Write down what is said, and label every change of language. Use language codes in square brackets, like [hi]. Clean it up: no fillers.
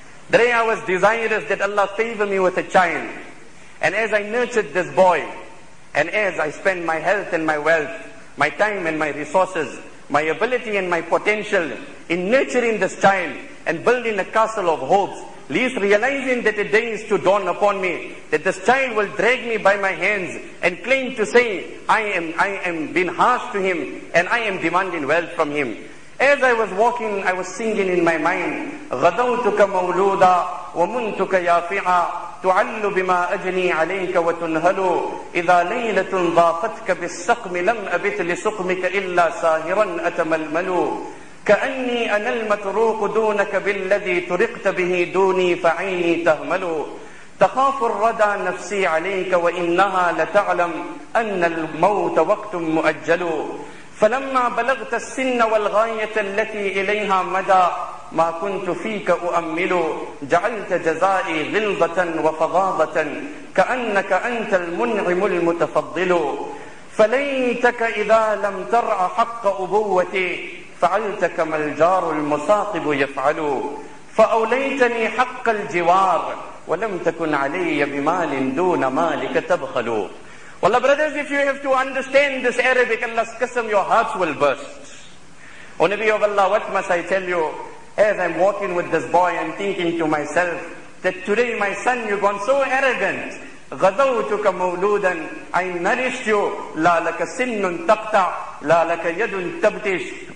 [en] The day I was desirous that Allah favor me with a child. And as I nurtured this boy, and as I spend my health and my wealth, my time and my resources, my ability and my potential in nurturing this child and building a castle of hopes, least realizing that a day is to dawn upon me, that this child will drag me by my hands and claim to say, I am being harsh to him and I am demanding wealth from him. As I was walking, I was singing in my mind, [ar] غَدَوْتُكَ مَوْلُودًا وَمُنْتُكَ يَافِعًا تُعَلُّ بِمَا أَجْنِي عَلَيْكَ وَتُنْهَلُ إِذَا لَيْلَةٌ ضَافَتْكَ بِالسَّقْمِ لَمْ أَبِتْ لِسُقْمِكَ إِلَّا سَاهِرًا أَتَمَلْمَلُ كَأَنِّي أَنَا الْمَتْرُوقُ دُونَكَ بِالَّذِي تُرِقْتَ بِهِ دُونِي فَعَيْنِي تَهْمَلُ تخاف الردى نفسي عليك وإنها لتعلم أن الموت وقت مؤجل فلما بلغت السن والغاية التي إليها مدى ما كنت فيك أؤمل جعلت جزائي غلظة وفظاظة كأنك أنت المنعم المتفضل فليتك إذا لم ترع حق أبوتي فعلت كما الجار المصاقب يفعل فأوليتني حق الجوار ولم تكن علي بمال دون مالك تبخل. [en] Allah, brothers, if you have to understand this Arabic, Allah's qasam, your hearts will burst. O Nabi of Allah, what must I tell you? As I'm walking with this boy, I'm thinking to myself that today, my son, you've gone so arrogant. [ar] غَذَوْتُكَ مَوْلُودًا. [en] I nourished you. [ar] لَا لَكَ سِنٌ تَقْتَعْ لَا لَكَ يَدٌ تَبْتِشْ.